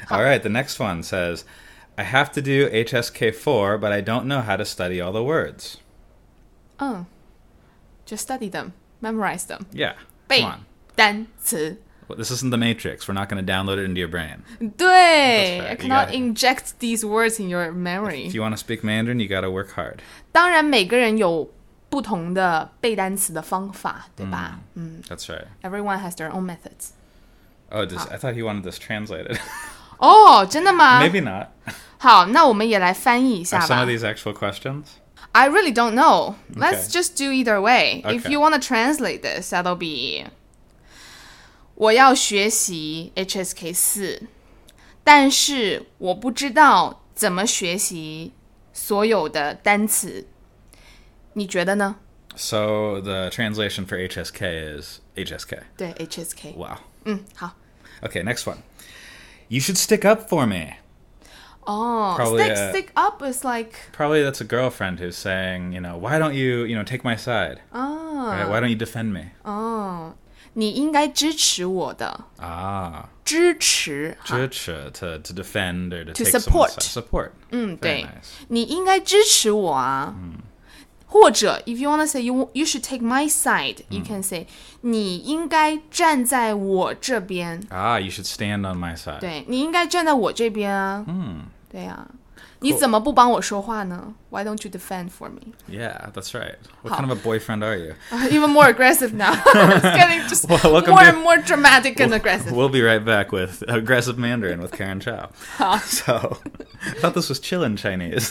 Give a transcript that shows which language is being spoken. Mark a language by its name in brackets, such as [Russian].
[English] All right, the next one says, I have to do HSK4, but I don't know how to study all the words. Oh, just study them. Memorize them. Yeah, come on. 单词 well, this isn't the Matrix. We're not going to download it into your brain. 对 I cannot inject these words in your memory. If you want to speak Mandarin, you got to work hard. [Chinese] 当然每个人有不同的背单词的方法对吧、 [English] That's right. Everyone has their own methods. Oh, I thought he wanted this translated. [Chinese] Oh, 真的吗 [English] Maybe not. [Chinese] 好那我们也来翻译一下吧 [English] Are some of these actual questions? I really don't know. Let's、 okay. just do either way.、 Okay. If you want to translate this, that'll be... [Chinese] 我要学习 HSK4, 但是我不知道怎么学习所有的单词。你觉得呢? [English] So the translation for HSK is HSK. [Chinese] 对, HSK. [English] Wow. [Chinese] 好。 [English] Okay, next one. You should stick up for me. Oh, stick up is like... Probably that's a girlfriend who's saying, you know, why don't you, you know, take my side? Oh. Right, why don't you defend me? [Chinese] Oh. 你应该支持我的、支持 [English] 支持 to defend or to support support [Chinese] 对、 [English] nice. [Chinese] 你应该支持我啊、或者 [English] if you want to say you should take my side、you can say [Chinese] 你应该站在我这边 [English] 啊、you should stand on my side [Chinese] 对你应该站在我这边啊、对啊、 [English] cool. [Chinese] 你怎么不帮我说话呢 [English] why don't you defend for me yeah that's right what kind of a boyfriend are you even more aggressive now it's getting well, more and more dramatic and aggressive. We'll be right back with Aggressive Mandarin with Karen Chow. So, I thought this was chill in Chinese.